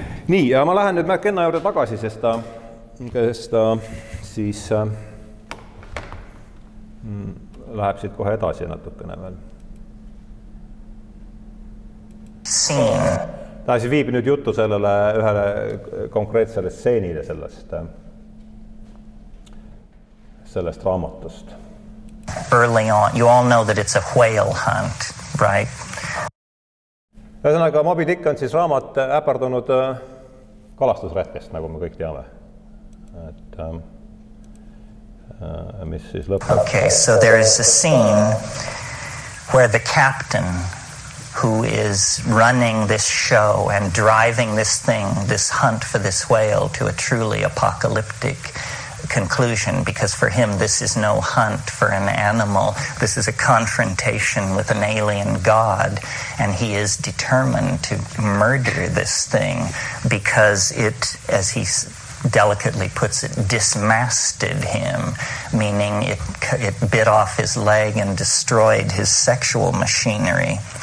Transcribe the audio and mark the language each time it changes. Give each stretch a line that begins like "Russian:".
Estonian: Nii, ja ma lähen nüüd McKenna juurde tagasi, sest ta siis läheb siit kohe edasi natukene veel. Ta siis viib nüüd juttu sellele ühele konkreetsele stseenile sellest raamatust.
English: Early on, you all know that it's a whale hunt, right?
Estonian: Ühesõnaga, Moby Dick on siis raamat äpardunud kalastusretkest, nagu me kõik teame. Mis siis lõpeb.
English: Okay, so there is a scene where the captain who is running this show and driving this thing, this hunt for this whale to a truly apocalyptic conclusion, because for him this is no hunt for an animal, this is a confrontation with an alien god, and he is determined to murder this thing because it, as he delicately puts it, dismasted him, meaning it bit off his leg and destroyed his sexual machinery.